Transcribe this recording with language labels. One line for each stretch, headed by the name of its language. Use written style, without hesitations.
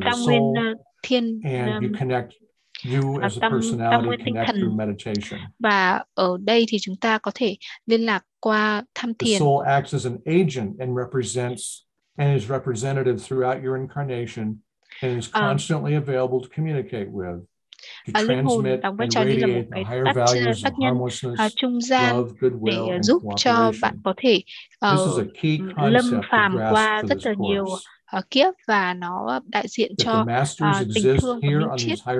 Vietnamese: một tam nguyên thiên tam nguyên tinh thần
English: meditation.
Vietnamese: Và ở đây thì chúng ta có thể liên lạc qua tham thiền.
English: The soul acts as an agent and represents and is representative throughout your incarnation and is constantly available to communicate with.
Vietnamese: Linh hồn đóng vai trò như là một cái tác nhân trung gian để giúp cho bạn có thể lâm phàm qua rất là nhiều kiếp và nó đại diện cho tình thương và minh triết.